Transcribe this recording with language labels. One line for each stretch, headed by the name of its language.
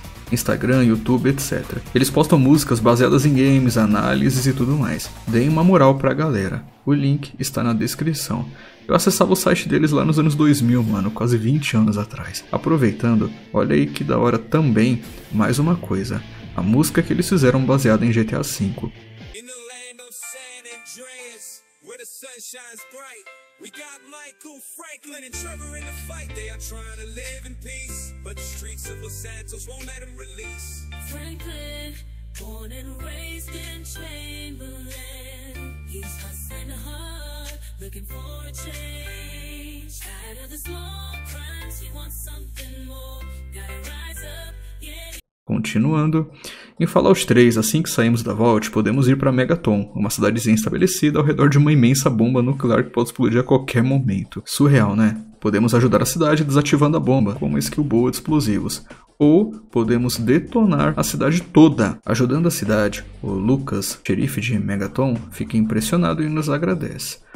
Portuguese: Instagram, YouTube, etc. Eles postam músicas baseadas em games, análises e tudo mais. Deem uma moral pra galera. O link está na descrição. Eu acessava o site deles lá nos anos 2000, mano, quase 20 anos atrás. Aproveitando, olha aí que da hora também, mais uma coisa. A música que eles fizeram baseada em GTA V.
English: In the land of San Andreas, where the sun shines bright. We got Michael Franklin and Trevor in the fight. They are trying to live in peace, but the streets of Los Santos won't let him release. Franklin, born and raised in Chamberlain, he's hustling hard, looking for a change. Out of the small crimes, he wants something more. Gotta rise up, yeah.
Portuguese: Continuando, em Fallout 3, assim que saímos da Vault, podemos ir para Megaton, uma cidadezinha estabelecida ao redor de uma imensa bomba nuclear que pode explodir a qualquer momento. Surreal, né? Podemos ajudar a cidade desativando a bomba, com uma skill boa de explosivos. Ou podemos detonar a cidade toda. Ajudando a cidade, o Lucas, xerife de Megaton, fica impressionado e nos agradece.